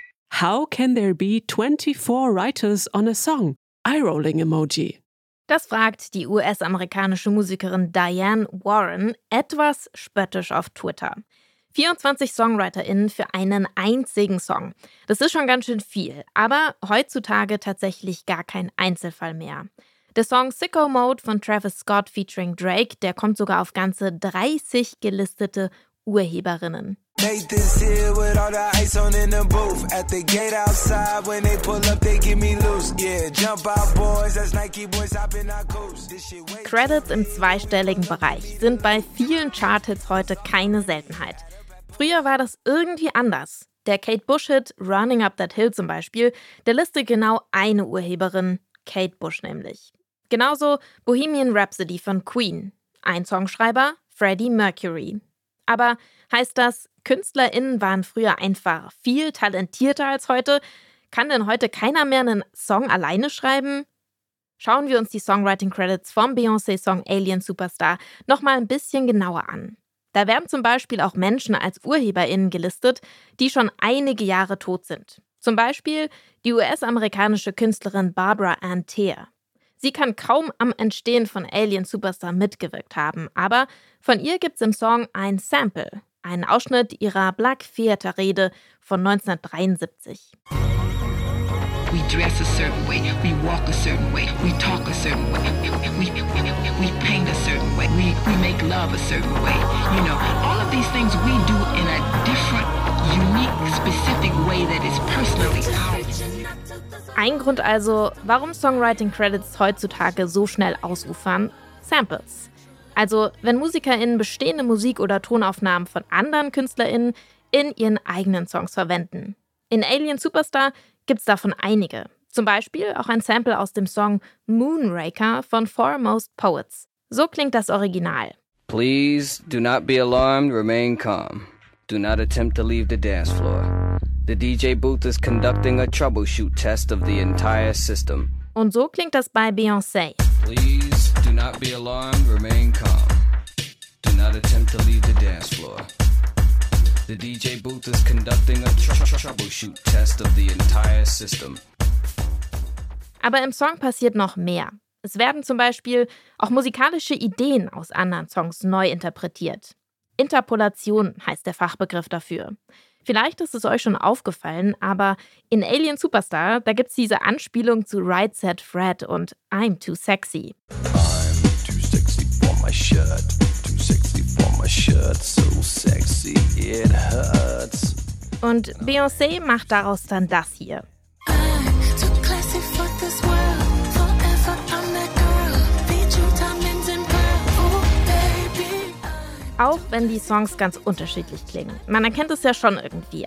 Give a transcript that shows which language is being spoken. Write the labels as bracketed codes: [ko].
[en] How can there be 24 writers on a song? Eye-rolling emoji. [de] Das fragt die US-amerikanische Musikerin Diane Warren etwas spöttisch auf Twitter. 24 SongwriterInnen für einen einzigen Song. Das ist schon ganz schön viel, aber heutzutage tatsächlich gar kein Einzelfall mehr. Der Song Sicko Mode von Travis Scott featuring Drake, der kommt sogar auf ganze 30 gelistete Urheberinnen. [en] Make this here with all the ice on in the booth. At the gate outside, when they pull up, they give me loose. Yeah, jump out boys, that's Nike boys hopping our coast. [de] Credits im zweistelligen Bereich sind bei vielen Chart-Hits heute keine Seltenheit. Früher war das irgendwie anders. Der Kate Bush-Hit Running Up That Hill zum Beispiel, der listet genau eine Urheberin, Kate Bush nämlich. Genauso Bohemian Rhapsody von Queen. Ein Songschreiber, Freddie Mercury. Aber heißt das, KünstlerInnen waren früher einfach viel talentierter als heute? Kann denn heute keiner mehr einen Song alleine schreiben? Schauen wir uns die Songwriting-Credits vom Beyoncé-Song Alien Superstar nochmal ein bisschen genauer an. Da werden zum Beispiel auch Menschen als UrheberInnen gelistet, die schon einige Jahre tot sind. Zum Beispiel die US-amerikanische Künstlerin Barbara Ann Teer. Sie kann kaum am Entstehen von Alien Superstar mitgewirkt haben, aber von ihr gibt's im Song ein Sample, einen Ausschnitt ihrer Black Theater-Rede von 1973. [en] We dress a certain way, we walk a certain way, we talk a certain way, we paint a certain way, we make love a certain way. You know, all of these things we do in a different, unique, specific way that is personally ours. [de] Ein Grund also, warum Songwriting-Credits heutzutage so schnell ausufern? Samples. Also, wenn MusikerInnen bestehende Musik- oder Tonaufnahmen von anderen KünstlerInnen in ihren eigenen Songs verwenden. In Alien Superstar gibt's davon einige. Zum Beispiel auch ein Sample aus dem Song Moonraker von Foremost Poets. So klingt das Original. [en] Please do not be alarmed, remain calm. Do not attempt to leave the dance floor. The DJ booth is conducting a troubleshoot test of the entire system. [de] Und so klingt das bei Beyoncé. [en] Please do not be alarmed, remain calm. Do not attempt to leave the dance floor. The DJ booth is conducting a troubleshoot test of the entire system. [de] Aber im Song passiert noch mehr. Es werden zum Beispiel auch musikalische Ideen aus anderen Songs neu interpretiert. Interpolation heißt der Fachbegriff dafür. Vielleicht ist es euch schon aufgefallen, aber in Alien Superstar, da gibt's diese Anspielung zu Right Said Fred und I'm Too Sexy. I'm too sexy for my shirt, too sexy for my shirt, so sexy it hurts. Und Beyoncé macht daraus dann das hier. Auch wenn die Songs ganz unterschiedlich klingen. Man erkennt es ja schon irgendwie.